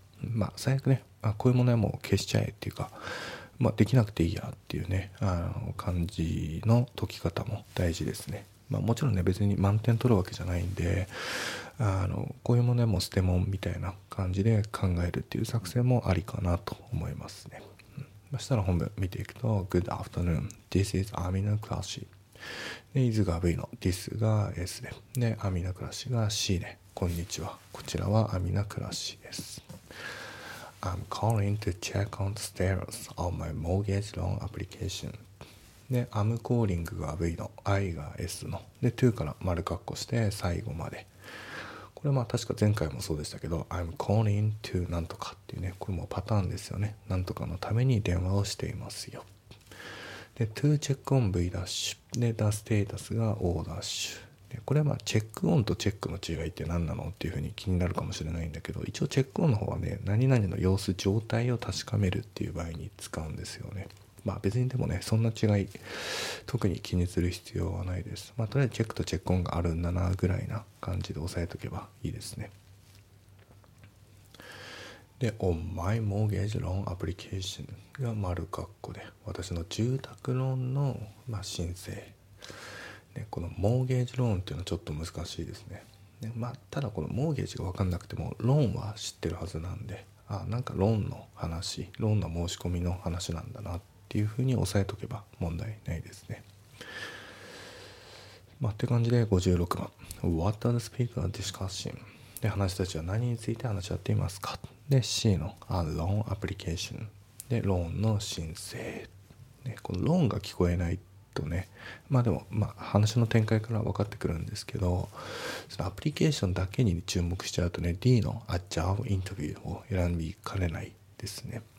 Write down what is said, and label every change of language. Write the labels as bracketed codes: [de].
[ja] まあ最悪ね、こういう問題も消しちゃえっていうか、まあできなくていいやっていうね、感じの解き方も大事ですね。まあ、もちろんね、別に満点取るわけじゃないんで、こういうものも捨てもんみたいな感じで考えるっていう作戦もありかなと思いますね。そしたら本文見ていくと、 [en] Good afternoon, this is Amina Krashi. [ja] で、is が V の、this が S で、で、Amina Krashi が C で、こんにちは、こちらは Amina Krashi です。 [en] I'm calling to check on the status of my mortgage loan application. [ja] で、アムコーリングが V の、I が S の。で、to から丸括弧して最後まで。これまあ確か前回もそうでしたけど、I'm calling to なんとかっていうね、これもパターンですよね。なんとかのために電話をしていますよ。で、to check on V' ダッシュ。で、the status が O' ダッシュ。で、これはまあチェックオンとチェックの違いって何なのっていうふうに気になるかもしれないんだけど、一応チェックオンの方はね、何々の様子、状態を確かめるっていう場合に使うんですよね。まあ、別にでもね、そんな違い特に気にする必要はないです。まあ、とりあえずチェックとチェックオンがあるんだなぐらいな感じで押さえとけばいいですね。で、 [en] On my mortgage loan application [ja] が丸括弧で、私の住宅ローンの、まあ、申請で、このモーゲージローンっていうのはちょっと難しいですね。で、まあ、ただこのモーゲージが分かんなくてもローンは知ってるはずなんで、なんかローンの話、ローンの申し込みの話なんだなっていうふうに押さえとけば問題ないですね。まあ、って感じで56番、 [en] What are the speakers discussing? [ja] で、話たちは何について話し合っていますか。で、 C の A loan application で、ローンの申請で、このローンが聞こえないとね、まあでも、まあ、話の展開から分かってくるんですけど、そのアプリケーションだけに注目しちゃうとね、 D の A job interview を選びかねないですね。